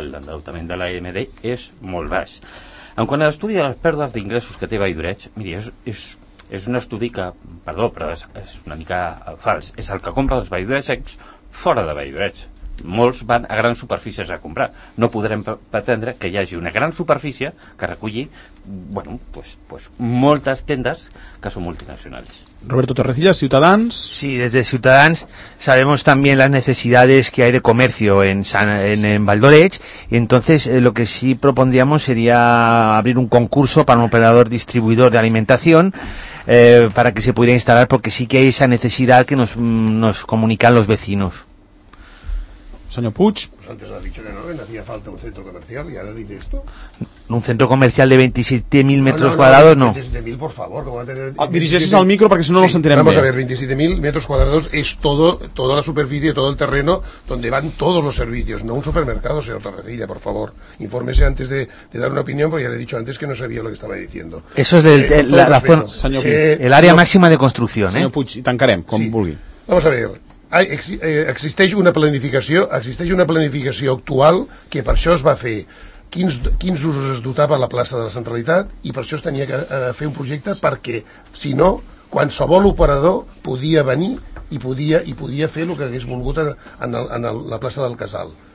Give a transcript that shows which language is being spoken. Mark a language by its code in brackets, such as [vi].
[ca] L'endeutament de la MED és molt baix. En quant a l'estudi de les pèrdues d'ingressos que té Valldoreix, miri, és un estudi que, perdó, però és una mica fals. És el que compra els valldoreixecs fora de Valldoreix. Molts van a grans superfícies a comprar. No podrem pretendre que hi hagi una gran superfície que reculli, bueno, pues moltes tendes que són multinacionals. Roberto Torrecilla, Ciutadans. [es] Sí, [ca] des de [es] Ciutadans sabemos también las necesidades que hay de comercio en Valldoreix, y entonces lo que sí propondríamos sería abrir un concurso para un operador distribuidor de alimentación para que se pudiera instalar, porque sí que hay esa necesidad que nos comunican los vecinos. Señor Puig. Pues antes has dicho que no, que hacía falta un centro comercial y ahora dices esto. Un centro comercial de 27.000 metros cuadrados, no. 27.000, por favor. Dirigeses al micro para que si no nos enteremos. Vamos a ver, 27.000 metros cuadrados es toda la superficie, todo el terreno donde van todos los servicios, no un supermercado, señor Torrecilla, por favor. Infórmese antes de dar una opinión, porque ya le he dicho antes que no sabía lo que estaba diciendo. Eso es la zona, el área máxima de construcción. Señor Puig, y [ca] tancarem, [es] con vulgui. Vamos a ver. [ca] Existeix una planificació actual que per això es va fer. Quins usos es dotava la plaça de la Centralitat, i per això es tenia que fer un projecte, perquè si no, qualsevol operador podia venir i podia fer el que hagués volgut en la plaça del Casal.